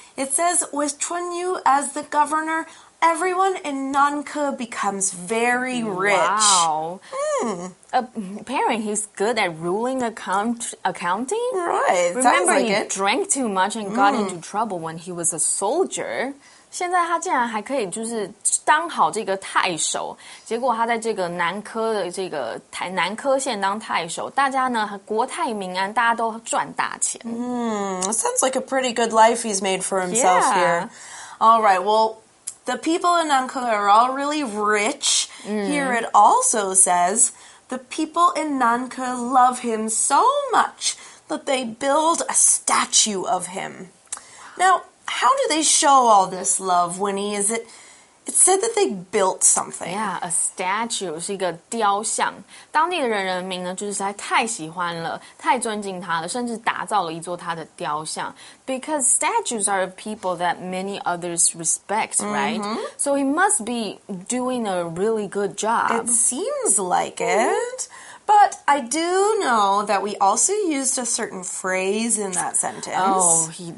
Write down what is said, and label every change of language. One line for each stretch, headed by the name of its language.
English: It says, with Chun Yu as the governor, everyone in Nanke becomes very rich. Wow. Apparently, he's good at ruling accounting. Right, Remember, sounds like he drank too much and got into trouble when he was a soldier.
Chinese: 现在他竟然还可以就是当好这个太守，结果他在这个南科的这个台南科县当太守，大家呢国泰民安，大家都赚大钱。
English: Sounds like a pretty good life he's made for himself here. All right, well, the people in Nanke are all really rich. Here it also says, the people in Nanke love him so much that they build a statue of him. Now,How do they show all this love, Winnie? Is it... It said that they built something.
Chinese: Yeah, a statue 是一个雕像。当地的人民呢，就是实在太喜欢了，太尊敬他了，甚至打造了一座他的雕像。
English: Because statues are people that many others respect, right? So he must be doing a really good job. It seems like it. But I do know that we also used a certain phrase in that sentence.